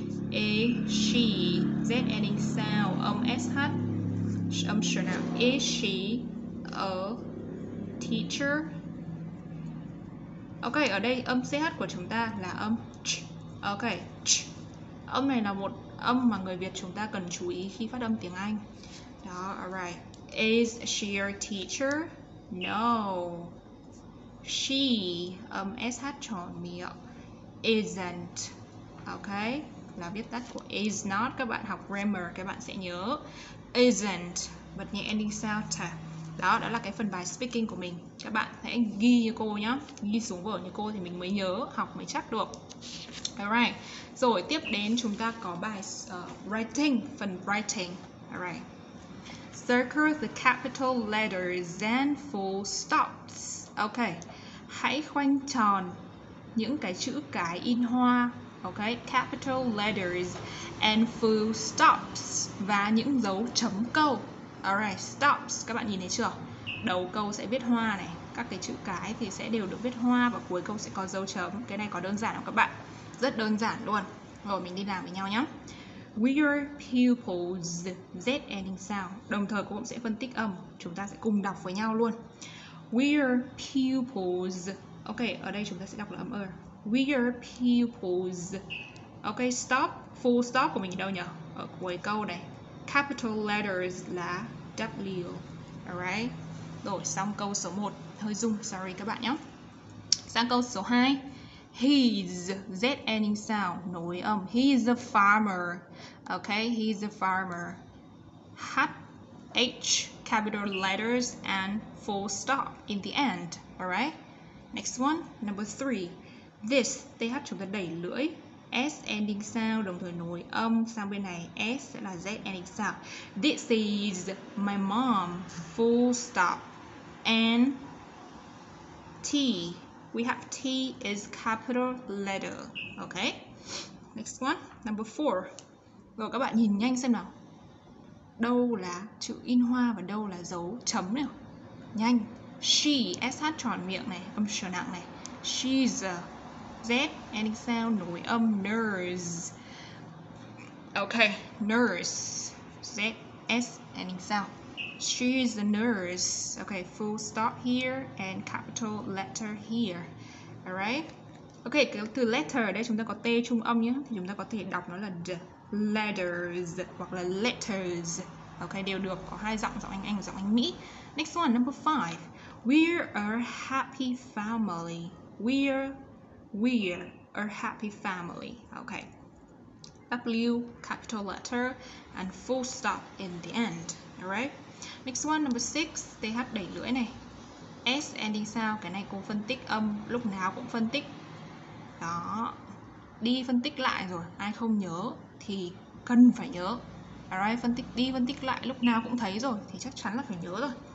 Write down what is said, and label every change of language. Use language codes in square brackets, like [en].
[en] Is she, Z ending sound, âm SH, âm sure now. Is she a teacher? [vi] Ok, ở đây âm CH của chúng ta là âm CH. Ok, CH. Âm này là một âm mà người Việt chúng ta cần chú ý khi phát âm tiếng Anh. [en] Đó, alright. Is she a teacher? No. She, SH tròn miệng, isn't. [vi] Ok, là viết tắt của is not. Các bạn học grammar, các bạn sẽ nhớ isn't, bật nhẹ ending sound ta. Đó, đó là cái phần bài speaking của mình. Các bạn hãy ghi như cô nhé. Ghi xuống vở như cô thì mình mới nhớ, học mới chắc được. Alright. Rồi, tiếp đến chúng ta có bài writing, phần writing. [en] Alright. Circle the capital letters and full stops. Ok. [vi] Hãy khoanh tròn những cái chữ cái in hoa. Ok. [en] Capital letters and full stops. [vi] Và những dấu chấm câu. Alright, stops, các bạn nhìn thấy chưa? Đầu câu sẽ viết hoa này, các cái chữ cái thì sẽ đều được viết hoa và cuối câu sẽ có dấu chấm. Cái này có đơn giản không các bạn? Rất đơn giản luôn. Rồi mình đi làm với nhau nhé. [en] We are pupils, Z ending sound. [vi] Đồng thời cũng sẽ phân tích âm, chúng ta sẽ cùng đọc với nhau luôn. [en] We are pupils. [vi] Ok, ở đây chúng ta sẽ đọc là âm R. [en] We are pupils. [vi] Ok, stop, full stop của mình ở đâu nhỉ? Ở cuối câu này. Capital letters là W. Alright. Rồi, xong câu số 1. Hơi zoom, sorry các bạn nhé. Sang câu số 2. [en] He's, Z ending sound, nối âm. He's a farmer. Ok, he's a farmer. H, H, capital letters and full stop in the end. Alright. Next one, number 3. [vi] This, TH chúng ta đẩy lưỡi. S ending sound, đồng thời nối âm sang bên này. [en] S sẽ là Z ending sound. This is my mom, full stop. And T, we have T is capital letter. Ok. Next one, number 4. [vi] Rồi các bạn nhìn nhanh xem nào. Đâu là chữ in hoa và đâu là dấu chấm nào. Nhanh. She, SH tròn miệng này, âm sờ nặng này. [en] She's a Z ending sound, nối âm nurse. Ok, nurse. Z, S ending sound. She's a nurse. Ok, full stop here and capital letter here. [vi] Alright. Ok, cái từ letter ở đây chúng ta có T trung âm nhé. Thì chúng ta có thể đọc nó là D. Letters hoặc là letters. Ok, đều được. Có hai giọng, giọng Anh, giọng Anh Mỹ. [en] Next one, number 5. We're a happy family. We're a happy family. Okay. W, capital letter, and full stop in the end. Alright. Next one, number 6. TH đẩy lưỡi này. S ending sound. [vi] Cái này cô phân tích âm, lúc nào cũng phân tích. Đó. Đi phân tích lại rồi. Ai không nhớ thì cần phải nhớ. Alright. Phân tích đi, phân tích lại, lúc nào cũng thấy rồi thì chắc chắn là phải nhớ rồi.